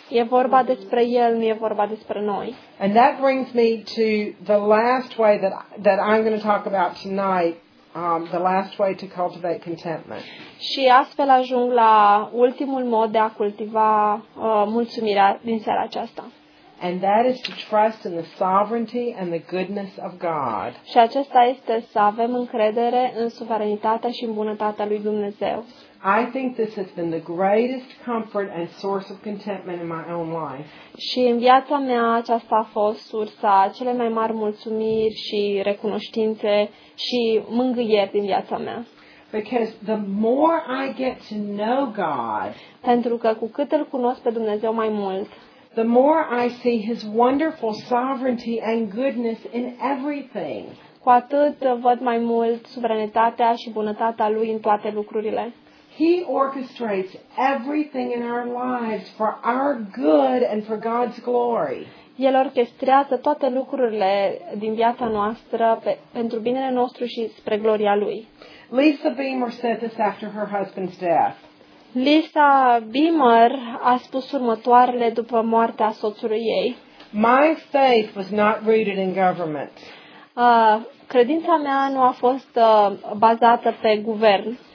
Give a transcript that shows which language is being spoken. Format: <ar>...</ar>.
<ro>E vorba despre El, nu e vorba despre noi.</ro> <en>And that brings me to the last way that I'm going to talk about tonight, the last way to cultivate contentment.</en> <ro>Și astfel ajung la ultimul mod de a cultiva mulțumirea din seara aceasta.</ro> <en>And that is to trust in the sovereignty and the goodness of God.</en> <ro>Și acesta este să avem încredere în suveranitatea și în bunătatea lui Dumnezeu.</ro> <en>I think this has been the greatest comfort and source of contentment in my own life.</en> <ro>Și în viața mea aceasta a fost sursa cele mai mari mulțumiri și recunoștințe și mângâieri din viața mea.</ro> <en>Because the more I get to know God,</en> <ro>pentru că cu cât îl cunosc pe Dumnezeu mai mult,</ro> <en>the more I see his wonderful sovereignty and goodness in everything.</en> <ro>Cu atât văd mai mult suveranitatea și bunătatea lui în toate lucrurile.</ro> <en>He orchestrates everything in our lives for our good and for God's glory.</en> <ro>El orchestrează toate lucrurile din viața noastră pentru binele nostru și spre gloria lui.</ro> <en>Lisa Beamer said this after her husband's death.</en> <ro>Lisa Beamer a spus următoarele după moartea soțului ei.</ro> <en>My faith was not rooted in government.</en> <ro>Credința mea nu a fost bazată pe guvern.</ro>